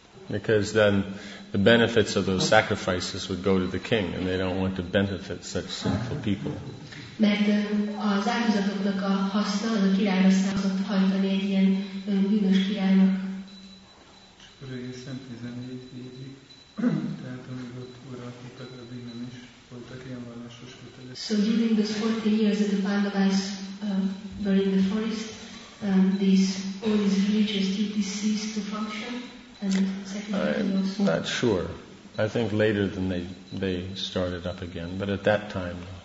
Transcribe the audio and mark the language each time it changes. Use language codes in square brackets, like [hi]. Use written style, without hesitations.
[en] Because then the benefits of those sacrifices would go to the king, and they don't want to benefit such sinful people. [hu] Mert az áldozatoknak a haszna az a királyra szállott hajtani egy ilyen bűnös királynak. Akkor egészen 14 évig, tehát amíg ott uralkodtak, addig nem is voltak ilyen vallásos kötelezettségek. [en] So during those 14 years that the Pandavas were in the forest, all these religious duties ceased to function. I'm not sure. I think later than they started up again, but at that time.